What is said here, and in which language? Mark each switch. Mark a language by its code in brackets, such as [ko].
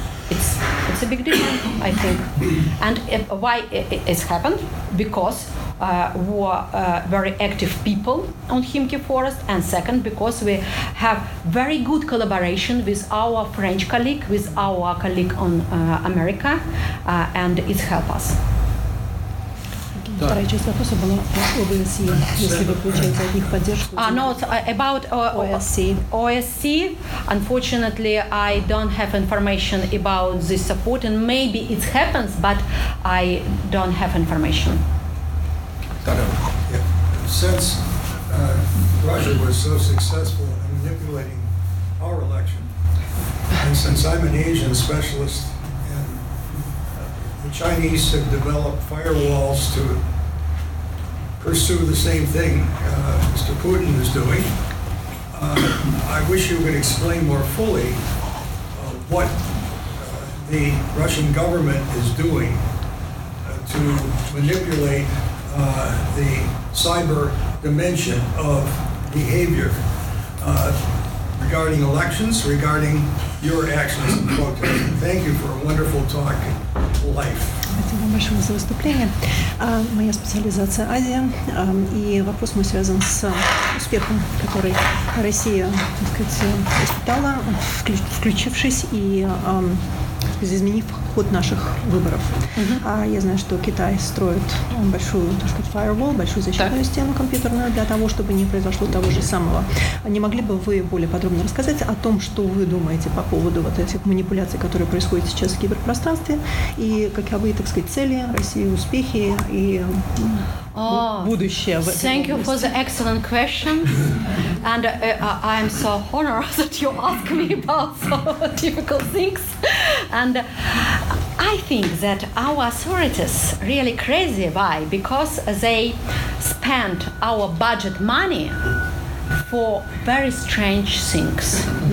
[en] It's a big difference, I think. And why it's happened? Because we are very active people on Himki Forest, and second, because we have very good collaboration with our French colleague, with our colleague on America, and it helped us. [ru] Вторая часть вопроса была об ОСИ, если вы получаете от них поддержку. [en] About ОСИ. ОСИ, unfortunately, I don't have information about the support, and maybe it happens, but I don't have information. Since Russia was so successful in manipulating our election, and since I'm an Asian specialist, the Chinese have developed firewalls to pursue the same thing Mr. Putin is doing. I wish you could explain more fully what the Russian government is doing to manipulate the cyber dimension of behavior regarding elections, regarding your actions in protest. Thank you for a wonderful talk. Life. [ru] Спасибо большое за выступление. Моя специализация – Азия, и вопрос мой связан с успехом, который Россия, так сказать, испытала, включившись и изменив ход наших выборов. Я знаю, что Китай строит большую, так сказать, firewall, большую защитную стену компьютерную для того, чтобы не произошло того же самого. Не могли бы вы более подробно рассказать о том, что вы думаете по поводу вот этих манипуляций, которые происходят сейчас в киберпространстве, и каковы, так сказать, цели России, успехи и будущее? [en] Thank you for the excellent question. And I am so honored that you ask me about so difficult things. And I think that our authorities really crazy. Why? Because they spend our budget money for very strange things.